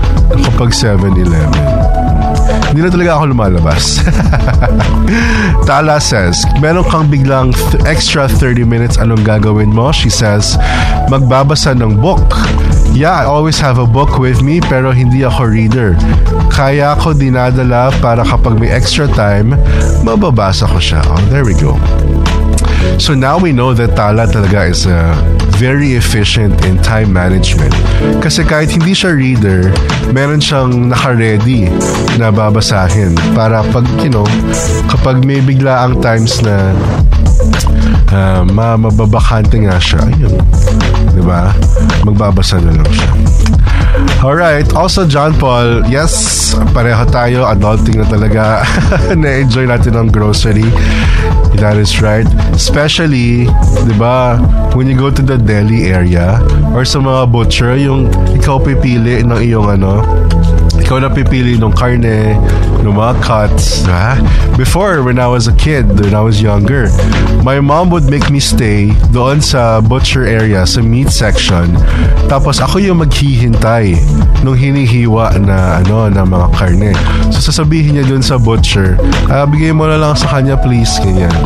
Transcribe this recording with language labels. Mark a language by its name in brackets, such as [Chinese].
[Filipino] Nakapag 7-Eleven. Hindi na talaga ako lumalabas. Tala says, meron kang biglang extra 30 minutes, anong gagawin mo? [English] She says, [Filipino] magbabasa ng book. [English] Yeah, I always have a book with me, [Filipino] pero hindi ako reader. Kaya ako dinadala para kapag may extra time, mababasa ko siya. [English] Oh, there we go. So now we know that Tala talaga is very efficient in time management. [Filipino] Kasi kahit hindi siya reader, meron siyang naka-ready na babasahin. Para pag, you know, kapag may bigla ang times na mababakante nga siya, yun. Diba? Magbabasa na lang siya. Alright, also John Paul, yes, pareho tayo, adulting na talaga, na-enjoy natin ang grocery. [English] That is right. [Filipino] Especially, di ba, [English] when you go to the deli area [Filipino] or sa mga butcher, yung ikaw pipili ng iyong ano, ikaw na pipili ng karne, No mga cuts. Huh? [English] Before, when I was a kid, when I was younger, my mom would make me stay [Filipino] doon sa butcher area, sa meat section. Tapos ako yung maghihintay nung hinihiwa na ano na mga karne. So sasabihin niya doon sa butcher, bigay mo na lang sa kanya please, kanya.